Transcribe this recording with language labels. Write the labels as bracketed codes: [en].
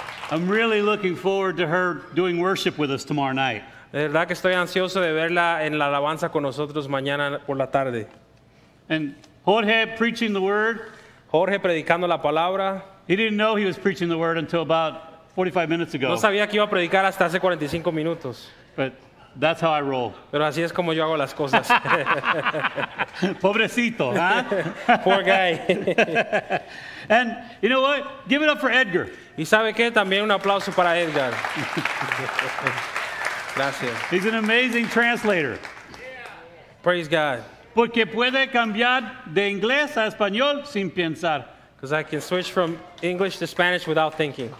[en] I'm really looking forward to her doing worship with us tomorrow night. [es] De verdad que estoy ansioso de verla en la alabanza con nosotros mañana por la tarde. [en] And Jorge preaching the word. [es] Jorge predicando la palabra. [en] He didn't know he was preaching the word until about 45 minutes ago. [es] No sabía que iba a predicar hasta hace 45 minutos. [en] But that's how I roll. [es] Pero así es como yo hago las cosas. Pobrecito, ¿eh? [en] Poor guy. And you know what? Give it up for Edgar. [es] ¿Y sabe qué? También un aplauso para Edgar. Gracias. [en] He's an amazing translator. Praise God. [es] Porque puede cambiar de inglés a español sin pensar. [en] Because I can switch from English to Spanish without thinking.